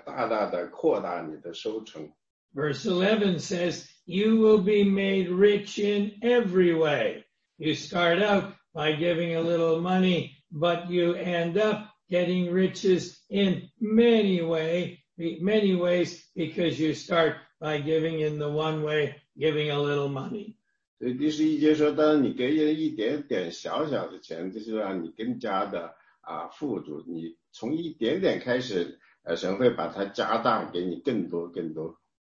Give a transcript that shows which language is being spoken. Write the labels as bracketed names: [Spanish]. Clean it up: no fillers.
[Chinese] 因为当我们其实就像我们献给神的时候，就像是你把那个种子种在里面，神会把这个大大的扩大你的收成。 [English] Verse 11 says, you will be made rich in every way. You start out by giving a little money, but you end up getting riches in many ways, because you start by giving in the one way, giving a little money. [Chinese] 所以第十一节说，当你给人一点点小小的钱，就是让你更加的富足。你从一点点开始，神会把它加大，给你更多更多。